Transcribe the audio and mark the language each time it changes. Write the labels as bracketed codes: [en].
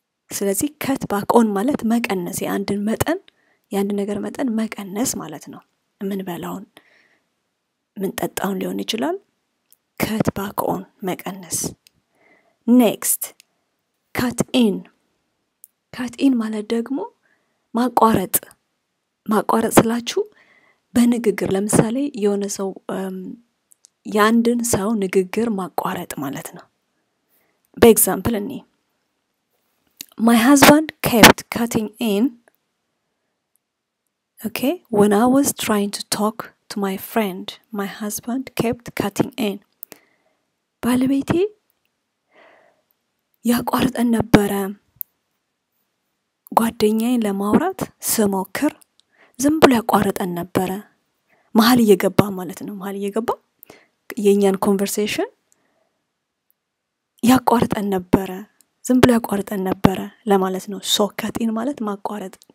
[am] ስለዚህ [en] cut back on [am] ማለት መቀነስ ያንድን መጠን ያንድ ነገር መጠን መቀነስ ማለት ነው ምን በላውን ምን ጠጣውን ሊሆን ይችላል cut back on መቀነስ [en] Next, cut in. Cut in [am] ማለት ደግሞ ማቋረጥ ማቋረጥ ስላችሁ በንግግር ለምሳሌ የሆነ ሰው ያንድን ሰው ንግግር ማቋረጥ ማለት ነው. በኤግዛምፕል እኔ [en] My husband kept cutting in. Okay, when I was trying to talk to my friend, my husband kept cutting in. [am] ባለቤቴ ያቋርጥ ነበር ጓደኛዬን ለማውራት ስሞክር ዝም ብሎ ያቋርጥ ነበር መሃል እየገባ ማለት ነው መሃል እየገባ የኛን ኮንቨርሴሽን ያቋርጥ ነበር ዝም ብሎ ያቋርጥ ነበር ለማለት ነው [en] so cut in [am] ማለት ማቋረጥ